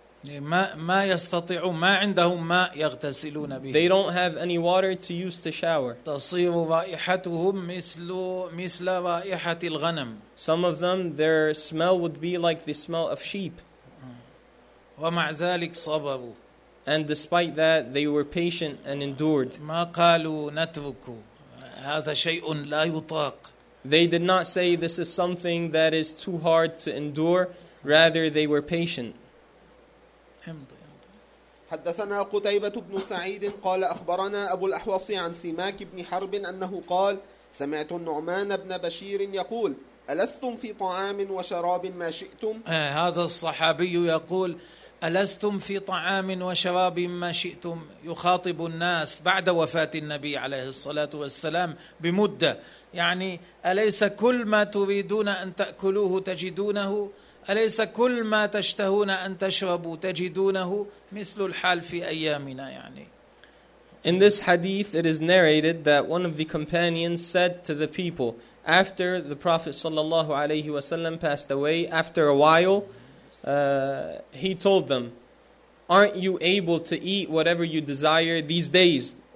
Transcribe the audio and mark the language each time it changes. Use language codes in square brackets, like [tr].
[ar] ما يستطيعون، ما عندهم ماء يغتسلون به. [en] They don't have any water to use to shower. [ar] تصير رائحتهم مثل رائحة الغنم. [en] Some of them, their smell would be like the smell of sheep. [ar] ومع ذلك صبروا. [en] And despite that, they were patient and endured. [ar] ما قالوا نترك، هذا شيء لا يطاق. [en] They did not say this is something that is too hard to endure. Rather, they were patient. [ar] حدثنا قتيبة بن سعيد قال أخبرنا أبو الأحوص عن سماك بن حرب أنه قال سمعت النعمان بن بشير يقول ألستم في طعام وشراب ما شئتم؟ هذا الصحابي يقول ألستم في طعام وشراب ما شئتم، يخاطب الناس بعد وفاة النبي عليه الصلاة والسلام بمدة، يعني أليس كل ما تريدون أن تأكلوه تجدونه؟ أليس كل ما تشتهون أن تشربوا تجدونه؟ مثل الحال في أيامنا. يعني [en] in this hadith it is narrated that one of the companions said to the people after the Prophet [ar] sallallahu alayhi wasallam [en] passed away, after a while he told them, aren't you able to eat whatever you desire these days